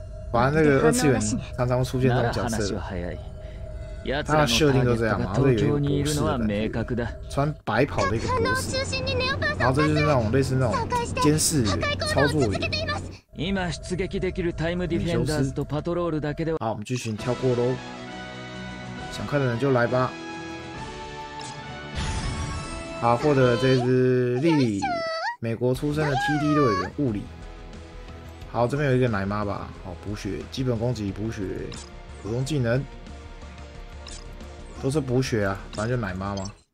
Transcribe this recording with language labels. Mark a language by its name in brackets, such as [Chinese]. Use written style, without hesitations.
[Chinese] 反正这个二次元常常出现这种角色，他的设定都这样嘛，这有一个博士的感觉，穿白袍的一个博士，然后这就是那种类似那种监视员、操作员。 [Japanese] 今出撃できるタイムディフェンダーとパトロールだけでは。 [Chinese] 好，我们剧情跳过喽，想看的人就来吧。好，获得了这只莉莉，美国出生的 TD 队员，物理。好，这边有一个奶妈吧。好，补血，基本攻击，补血，普通技能，都是补血啊，反正就奶妈嘛。